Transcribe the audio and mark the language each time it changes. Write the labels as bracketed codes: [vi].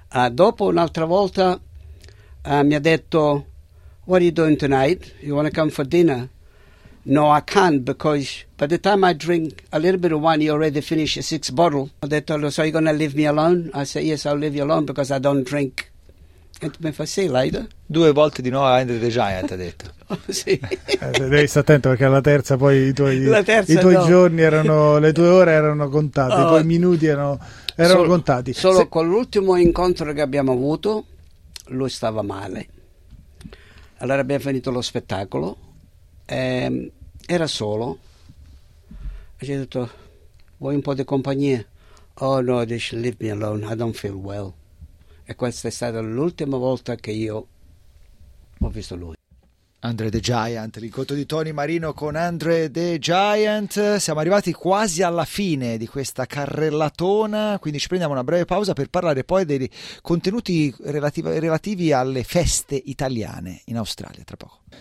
[it] Dopo un'altra volta mi ha detto, [en] what are you doing tonight? You want to come for dinner? No, I can't, because by the time I drink a little bit of wine, he already finished a 6 bottle. They told us, are you going to leave me alone? I said, yes, I'll leave you alone because I don't drink. [it] E tu mi fa sì, Laida? Due volte di no a Andrew the Giant, ha detto. Sì. Devi stare attento, perché alla terza poi i tuoi no. giorni erano, le tue ore erano contate, oh. I tuoi minuti erano contati. Solo con l'ultimo incontro che abbiamo avuto, lui stava male. Allora abbiamo finito lo spettacolo, era solo. E ci ha detto, vuoi un po' di compagnia? [en] Oh no, just leave me alone, I don't feel well. [it] E questa è stata l'ultima volta che io ho visto lui. Andre the Giant, l'incontro di Tony Marino con Andre the Giant. Siamo arrivati quasi alla fine di questa carrellatona, quindi ci prendiamo una breve pausa per parlare poi dei contenuti relativi alle feste italiane in Australia tra poco.